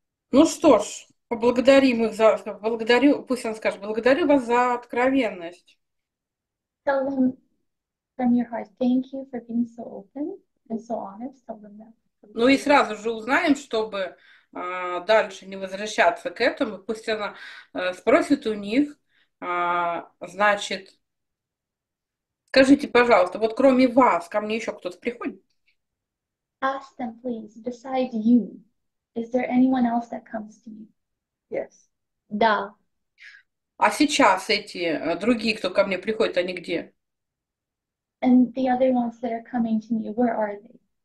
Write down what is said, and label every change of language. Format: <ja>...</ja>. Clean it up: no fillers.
<ru>Ну что ж, поблагодарим их за... Благодарю, пусть он скажет, благодарю вас за откровенность.</ru> <en>Tell them from your heart, thank you for being so open and so honest. Tell them that.</en> <ru>Ну и сразу же узнаем, чтобы дальше не возвращаться к этому. Пусть она спросит у них, значит, скажите, пожалуйста, вот кроме вас ко мне еще кто-то приходит?</ru> <en>Ask them, please, besides you, is there anyone else that comes to me? Yes.</en> <ru>Да. А сейчас эти другие, кто ко мне приходит, они где?</ru> <en>And the other ones that are coming to me, where are they?</en>